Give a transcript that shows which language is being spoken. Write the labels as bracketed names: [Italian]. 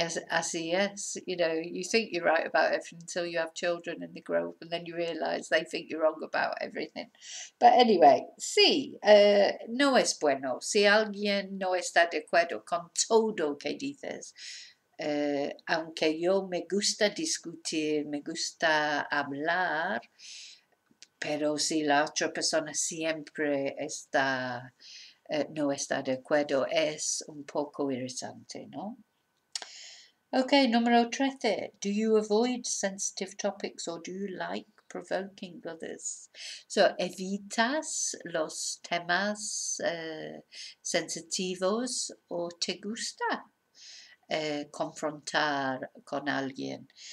[Spanish] Así es, [English] you know, you think you're right about everything until you have children and they grow up and then you realise they think you're wrong about everything. But anyway, [Spanish] sí, no es bueno. Si alguien no está de acuerdo con todo que dices, aunque yo me gusta discutir, me gusta hablar, pero si la otra persona siempre está, no está de acuerdo, es un poco irritante, ¿no? Okay, número 13. [English] Do you avoid sensitive topics or do you like provoking others? [Spanish] So, ¿evitas los temas sensitivos o te gusta confrontar con alguien?